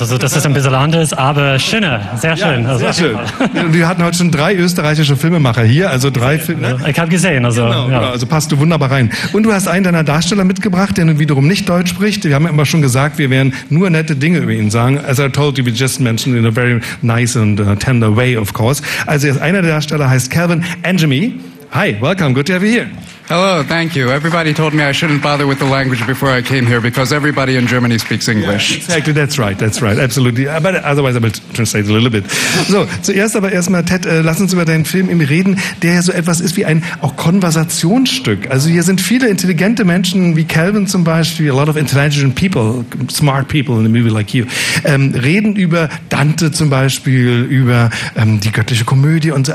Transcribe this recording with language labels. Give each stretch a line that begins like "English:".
German: Also das ist ein bisschen anders, aber schöner. Sehr schön. Ja, sehr also, schön. Und wir hatten heute schon drei österreichische Filmemacher hier. Also drei Filme. Ne? Ich habe gesehen. Also, genau, ja. Also passt du wunderbar rein. Und du hast einen deiner Darsteller mitgebracht, der nun wiederum nicht Deutsch spricht. Wir haben ja immer schon gesagt, wir werden nur nette Dinge über ihn sagen.
English: As I told you, we just mentioned in a very nice and tender way, of course.
German: Also einer der Darsteller heißt Calvin Angemi.
English: Hi, welcome. Good to have you here. Hello, thank you. Everybody told me I shouldn't bother with the language before I came here because everybody in Germany speaks English. Yeah, exactly, that's right, absolutely. But otherwise I will translate a little bit.
German: So, zuerst aber erstmal, Ted, lass uns über deinen Film eben reden, der ja so etwas ist wie ein auch Konversationsstück. Also hier sind viele intelligente Menschen wie Calvin zum Beispiel,
English: a lot of intelligent people, smart people in a movie like you,
German: reden über Dante zum Beispiel, über die göttliche Komödie und so.